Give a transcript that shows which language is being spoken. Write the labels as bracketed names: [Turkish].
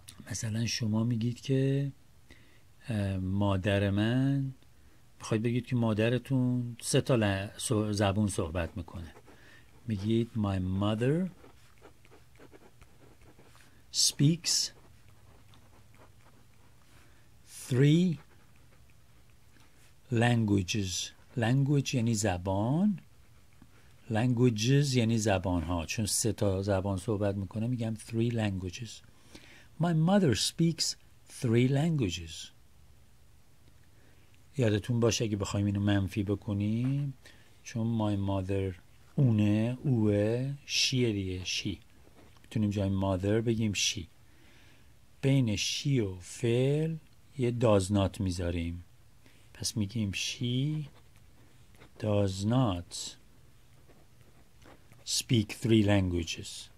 [Persian] مثلا شما میگید که مادر من، میخواید بگید که مادرتون سه تا زبون صحبت میکنه، میگید [English] my mother speaks three languages. [Persian] language یعنی زبان، languages یعنی زبان ها، چون سه تا زبان صحبت میکنه میگم [English] three languages. my mother speaks three languages. [Persian] یادتون باشه اگه بخوایم اینو منفی بکنیم، چون [English] my mother [Persian] اونه، اوه، شیه دیگه، شی، میتونیم جای mother بگیم شی. بین شی و فعل یه does not میذاریم، پس میگیم شی [English] does not speak three languages.